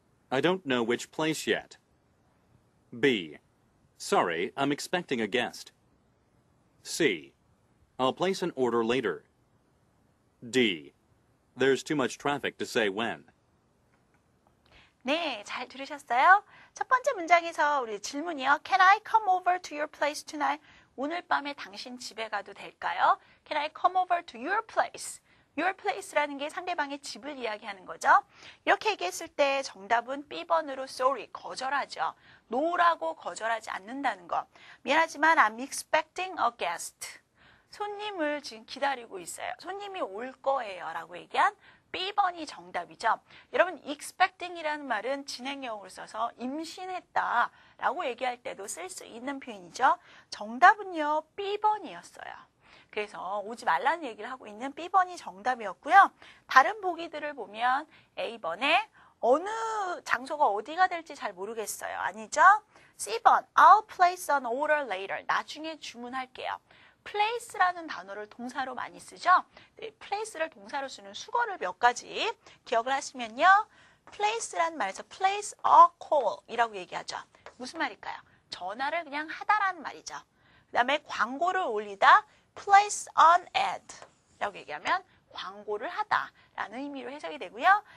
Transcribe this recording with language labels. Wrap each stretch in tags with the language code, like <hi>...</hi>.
<en>I don't know which place yet. B. Sorry, I'm expecting a guest. C. I'll place an order later. D. There's too much traffic to say when.</en> <ko>네, 잘 들으셨어요? 첫 번째 문장에서 우리 질문이요.</ko> <en>Can I come over to your place tonight?</en> <ko>오늘 밤에 당신 집에 가도 될까요?</ko> <en>Can I come over to your place?</en> <ko>Your place라는 게 상대방의 집을 이야기하는 거죠. 이렇게 얘기했을 때 정답은 B번으로 sorry, 거절하죠. No라고 거절하지 않는다는 거. 미안하지만</ko> <en>I'm expecting a guest.</en> <ko>손님을 지금 기다리고 있어요. 손님이 올 거예요 라고 얘기한 B번이 정답이죠. 여러분 expecting이라는 말은 진행형으로 써서 임신했다 라고 얘기할 때도 쓸 수 있는 표현이죠. 정답은요 B번이었어요. 그래서 오지 말라는 얘기를 하고 있는 B번이 정답이었고요. 다른 보기들을 보면 A번에 어느 장소가 어디가 될지 잘 모르겠어요. 아니죠? C번</ko> <en>I'll place an order later.</en> <ko>나중에 주문할게요. place라는 단어를 동사로 많이 쓰죠. 네, place를 동사로 쓰는 수거를 몇 가지 기억을 하시면요. place라는 말에서</ko> <en>place a call</en> <ko>이라고 얘기하죠. 무슨 말일까요? 전화를 그냥 하다라는 말이죠. 그 다음에 광고를 올리다</ko> <en>place an ad</en> <ko>라고 얘기하면 광고를 하다라는 의미로 해석이 되고요.</ko>